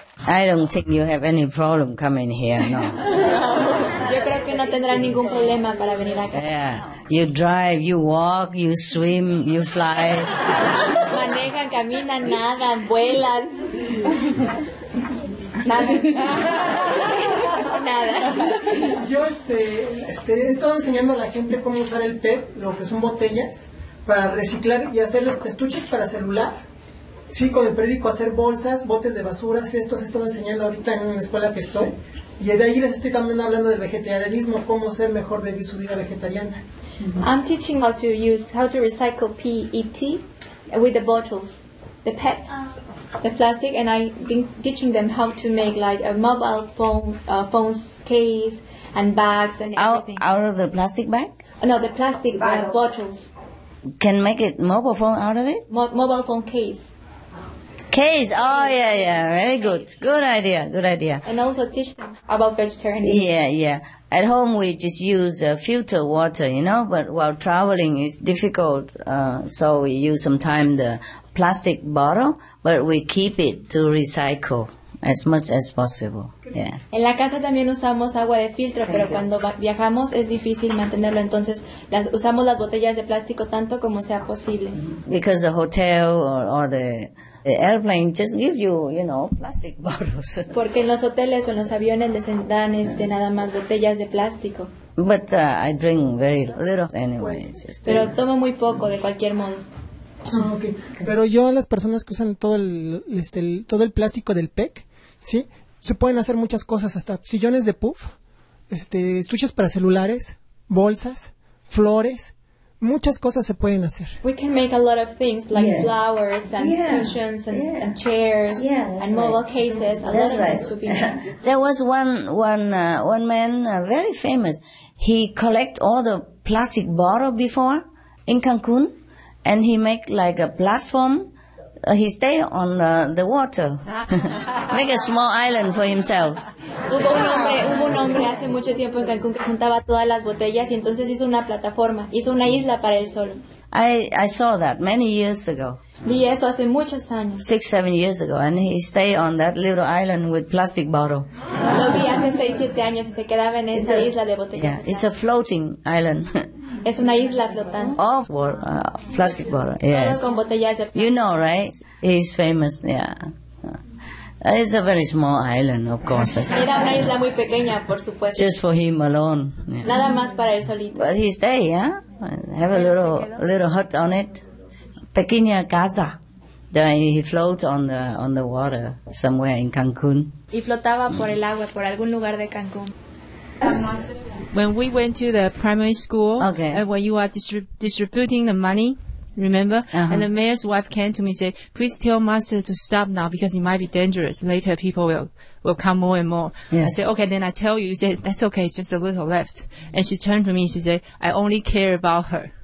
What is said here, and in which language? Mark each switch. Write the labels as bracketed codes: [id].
[en] I don't think you have any problem coming here, no. [es] Yo creo que no tendrán ningún problema para venir acá. [en] Yeah. You drive, you walk, you swim, you fly. [es] Manejan, caminan, nadan, vuelan. Nada. Yo he estado enseñando a la gente cómo usar el PET, lo que son botellas, para reciclar y hacer los estuches para celular. Sí, con el periódico hacer bolsas, botes de basura, esto se está enseñando ahorita en una escuela que estoy. Y de ahí les estoy también hablando del vegetarianismo, cómo ser mejor de su vida vegetariana. [en] I'm teaching how to recycle PET with the bottles. the pets, the plastic, and I've been teaching them how to make like a mobile phone, phones case and bags and everything. Out of the plastic bag? No, the plastic bottles. Can make it mobile phone out of it? Mobile phone case. Case, oh yeah, yeah, very good. Good idea, good idea. And also teach them about vegetarianism. Yeah, yeah. At home we just use filter water, you know, but while traveling it's difficult, so we use sometimes the plastic bottle, but we keep it to recycle as much as possible, yeah. [es] En la casa también usamos agua de filtro, pero cuando viajamos es difícil mantenerlo, entonces usamos las botellas de plástico tanto como sea posible. [en] Because the hotel or the airplane just give you, you know, plastic bottles. [es] Porque en los hoteles o en los aviones les dan nada más botellas de plástico. [en] But I drink very little anyway. [es] Pero tomo muy poco de cualquier modo. [en] Okay. [es] Pero yo a las personas que usan todo el plástico del PEC, ¿sí? Se pueden hacer muchas cosas, hasta sillones de puff, estuches para celulares, bolsas, flores, muchas cosas se pueden hacer. [en] We can make a lot of things like flowers and cushions and, and chairs and mobile cases, a lot of things to be made. There was one man, very famous. He collect all the plastic bottle before in Cancun. And he make like a platform. He stay on the water. Make a small island for himself. [es] Hubo un hombre hace mucho tiempo en Cancún que juntaba todas las botellas y entonces hizo una plataforma, hizo una isla para él solo. [en] I saw that many years ago. [es] Vi eso hace muchos años. [en] 6-7 years ago, and he stay on that little island with plastic bottle. [es] Lo vi hace 6-7 años y se quedaba en esa isla de botellas. [en] Yeah, it's a floating island. [es] Es una isla flotante. [en] All for plastic bottle, yes. [es] Con botellas de plástico. [en] You know, right? He's famous, yeah. It's a very small island, of course. [es] Era una isla muy pequeña, por supuesto. [en] Just for him alone. Yeah. [es] Nada más para él solito. [en] But he stay, Have a little hut on it. [es] Pequeña casa. [en] Then he float on the water somewhere in Cancun. [es] Y flotaba por el agua, por algún lugar de Cancún. [en] When we went to the primary school, when you are distributing the money, remember? Uh-huh. And the mayor's wife came to me and said, please tell master to stop now because it might be dangerous. Later people will come more and more. Yeah. I said, okay, then I tell you. He said, that's okay, just a little left. And she turned to me and she said, I only care about her.